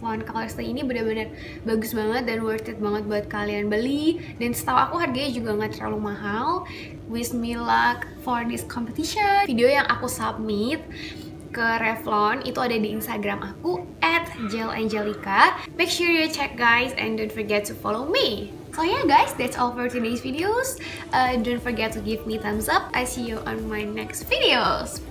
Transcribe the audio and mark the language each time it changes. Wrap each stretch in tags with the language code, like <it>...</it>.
<id>ColorStay ini benar-benar bagus banget dan worth it banget buat kalian beli, dan setahu aku harganya juga nggak terlalu mahal.</id> <en>Wish me luck for this competition.</en> <id>Video yang aku submit ke Revlon itu ada di Instagram aku @jelangelica.</id> <en>Make sure you check guys, and don't forget to follow me. So yeah guys, that's all for today's videos. Don't forget to give me thumbs up. I see you on my next videos.</en>